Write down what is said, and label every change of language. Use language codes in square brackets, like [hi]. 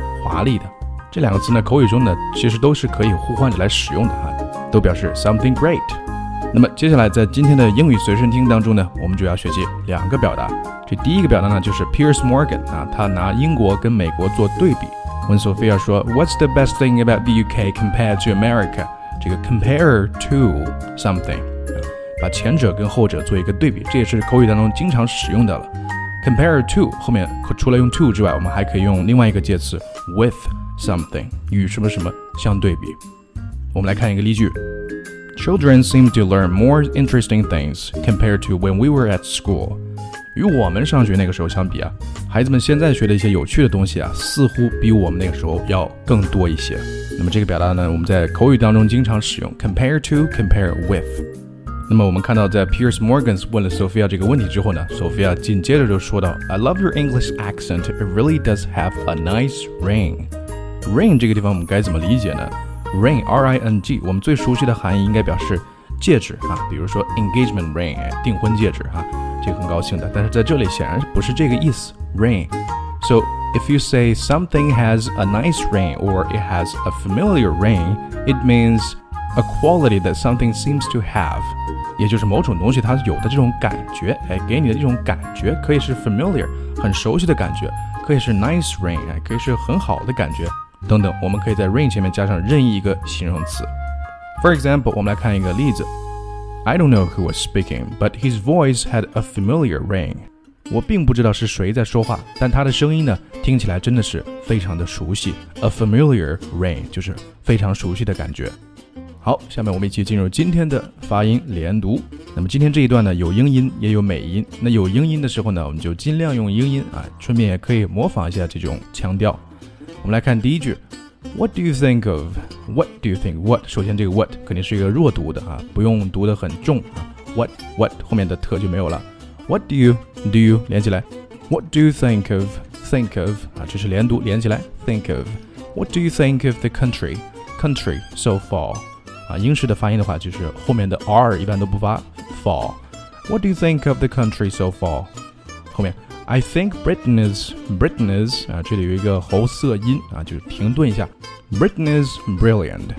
[zh] 华丽的，这两个词呢，口语中呢，其实都是可以互换着来使用的啊，都表示 something great。那么接下来在今天的英语随身听当中呢，我们就要学习两个表达。这第一个表达呢，就是 Piers Morgan 啊，他拿英国跟美国做对比，问 Sophia 说 ， [en] What's the best thing about the UK compared to America？ [zh] 这个 compare to something， 把前者跟后者做一个对比，这也是口语当中经常使用的了。 Compare to 后面除了用 to 之外，我们还可以用另外一个介词 with something 与什么什么相对比。我们来看一个例句 [en] ：Children seem to learn more interesting things compared to when we were at school。 [zh] 与我们上学那个时候相比啊，孩子们现在学的一些有趣的东西啊，似乎比我们那个时候要更多一些。那么这个表达呢，我们在口语当中经常使用 compare to， compare with。那么我们看到在 Piers Morgan 问了 Sophia 这个问题之后呢， Sophia 紧接着就说到 [en] I love your English accent, it really does have a nice ring. [zh] Ring 这个地方我们该怎么理解呢？Ring, R-I-N-G, 我们最熟悉的含义应该表示戒指啊，比如说 engagement ring, 订婚戒指啊，这个很高兴的，但是在这里显然不是这个意思 ,ring. [en] So, if you say something has a nice ring or it has a familiar ring, it meansA quality that something seems to have， [zh] 也就是某种东西它有的这种感觉，哎，给你的这种感觉可以是 [en] familiar， 很熟悉的感觉，可以是 nice ring， 哎，可以是很好的感觉，等等。我们可以在 ring 前面加上任意一个形容词。 For example，我们来看一个例子。 I don't know who was speaking， but his voice had a familiar ring。 [zh] 我并不知道是谁在说话，但他的声音呢，听起来真的是非常的熟悉。A familiar ring 就是非常熟悉的感觉。好，下面我们一起进入今天的发音连读。那么今天这一段呢，有英音也有美音。那有英音的时候呢，我们就尽量用英音啊，顺便也可以模仿一下这种腔调。我们来看第一句 [en] ，What do you think of？ What do you think？ What？ [zh] 首先这个 What 肯定是一个弱读的啊，不用读得很重啊。 [en] What？ What？ [zh] 后面的特就没有了。 [en] What do you？ Do you？ 连起来。What do you think of？ Think of？ [zh] 啊，这是连读，连起来。Think of。 [en] What do you think of the country？ Country so far？ [zh] 啊，英式的发音的话，就是后面的 R 一般都不发 fall. [en] What do you think of the country so far? [zh] 后面 [en] I think Britain is [zh] 啊，这里有一个喉塞音啊，就是停顿一下 [en] Britain is brilliant.